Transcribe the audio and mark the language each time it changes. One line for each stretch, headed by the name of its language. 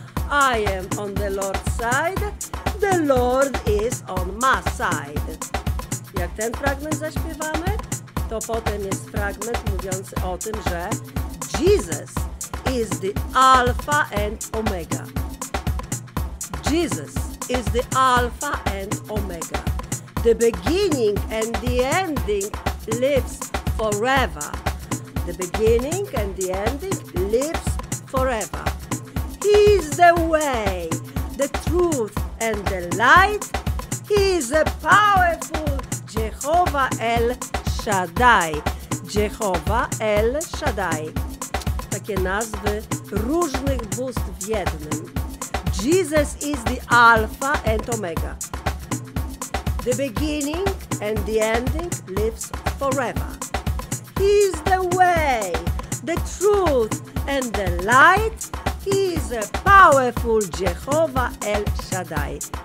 English: I am on the Lord's side. The Lord is on my side.
Polish: Jak ten fragment zaśpiewamy, to potem jest fragment mówiący o tym, że
English: Jesus is the Alpha and Omega. Jesus is the Alpha and Omega. The beginning and the ending lives forever. The beginning and the ending lives forever. He is the way, the truth and the light. He is a powerful Jehovah El Shaddai. Jehovah El Shaddai.
Polish: Takie nazwy różnych bóstw w jednym.
English: Jesus is the Alpha and Omega. The beginning and the ending lives forever. He is the way, the truth and the light. He is a powerful Jehovah El Shaddai.